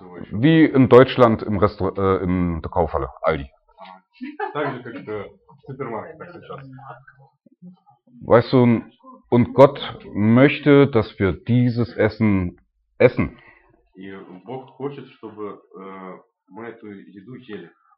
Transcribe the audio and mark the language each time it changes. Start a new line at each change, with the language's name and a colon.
German: Wie in Deutschland im Restaurant, in der Kaufhalle, Aldi.
Russian: Так же, как в супермаркете, так сейчас.
German: Weißt du, und Gott möchte, dass wir dieses Essen essen.
Russian: И Бог хочет, чтобы мы эту еду ели.